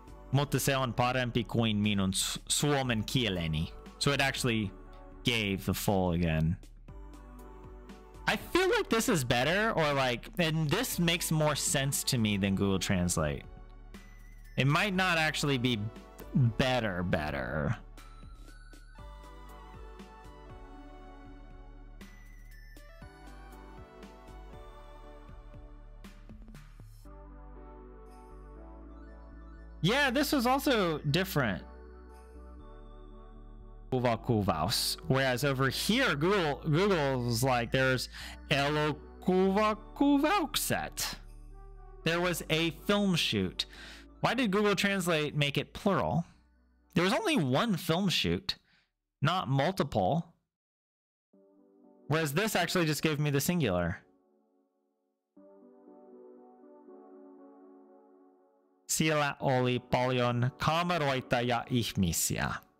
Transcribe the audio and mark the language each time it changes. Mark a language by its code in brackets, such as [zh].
[fi] Mutta se on parempi kuin minun suomen kieleni. [en] So it actually gave the full again. I feel like this is better, or like, and this makes more sense to me than Google Translate. It might not actually be better. Yeah, this was also different. [fi] Kuvaus. [en] Whereas over here, Google's like, there's elokuvakuvaukset. There was a film shoot. Why did Google Translate make it plural? There was only one film shoot, not multiple. Whereas this actually just gave me the singular. [fi] Siellä oli paljon kameroita ja ihmisiä.